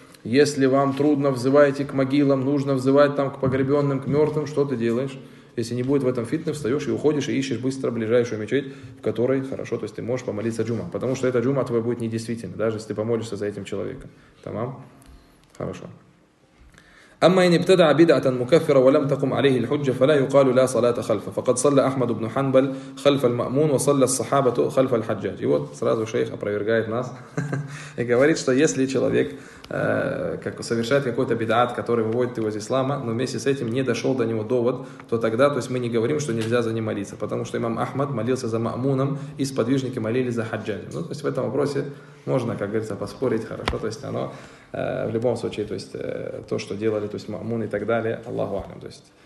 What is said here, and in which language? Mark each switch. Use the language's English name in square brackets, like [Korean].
[Russian] Если вам трудно, взывайте к могилам, нужно взывать там к погребенным, к мертвым, что ты делаешь? Если не будет в этом фитне, встаешь и уходишь, и ищешь быстро ближайшую мечеть, в которой хорошо, то есть ты можешь помолиться джума. Потому что эта джума твоя будет недействительна, даже если ты помолишься за этим человеком. Тамам? Хорошо. [Arabic] أما إن ابتدع بدعة مكفرة ولم تقم عليه الحجة فلا يقال لا صلاة خلفه فقد صلى أحمد بن حنبل خلف المأمون وصلى الصحابة خلف الحجاج. [Russian] И вот сразу шейх опровергает нас и говорит, что если человек как совершает какой-то бедаат, который выводит его из ислама, но вместе с этим не дошел до него довод, то тогда, то есть мы не говорим, что нельзя за ним молиться, потому что имам Ахмад молился за Мамуном, и сподвижники молились за хаджаджем. Ну, то есть в этом вопросе можно, как говорится, поспорить, хорошо, то есть оно в любом случае, то есть то, что делали, то есть Мамун и так далее, Аллаху алям, то есть.